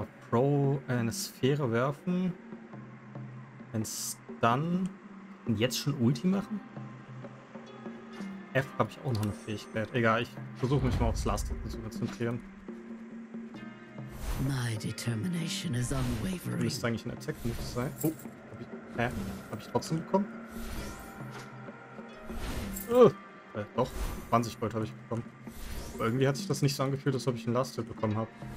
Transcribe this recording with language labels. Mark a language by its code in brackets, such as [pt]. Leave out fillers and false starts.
[de] Pro eine Sphäre werfen. Ein Stun. Und jetzt schon Ulti machen? F habe ich auch noch eine Fähigkeit. Egal, ich versuche mich mal aufs Last-Hit zu konzentrieren. [en] My determination is unwavering. [de] Müsste eigentlich ein Attack-Move sein. Oh, hab ich trotzdem bekommen? Doch, 20 Gold habe ich bekommen. Aber irgendwie hat sich das nicht so angefühlt, als ob ich einen Last Hit bekommen habe.